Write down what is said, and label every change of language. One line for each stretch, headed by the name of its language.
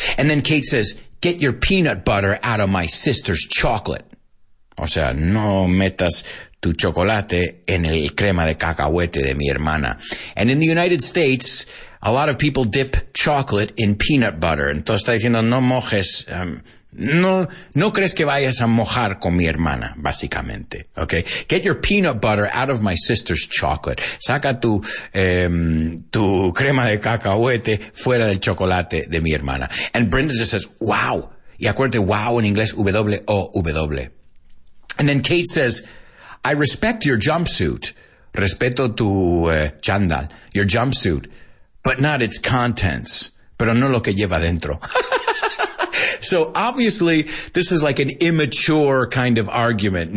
English: And then Kate says, get your peanut butter out of my sister's chocolate.
Spanish: O sea, no metas tu chocolate en el crema de cacahuete de mi hermana.
English: And in the United States, a lot of people dip chocolate in peanut butter.
Spanish: Entonces está diciendo, no mojes, no crees que vayas a mojar con mi hermana, básicamente.
English: Okay? Get your peanut butter out of my sister's chocolate.
Spanish: Saca tu crema de cacahuete fuera del chocolate de mi hermana.
English: And Brenda just says, wow.
Spanish: Y acuérdate, wow en inglés, W-O-W.
English: And then Kate says, I respect your jumpsuit.
Spanish: Respeto tu chandal,
English: your jumpsuit. But not its contents.
Spanish: Pero no lo que lleva dentro.
English: So obviously, this is like an immature kind of argument.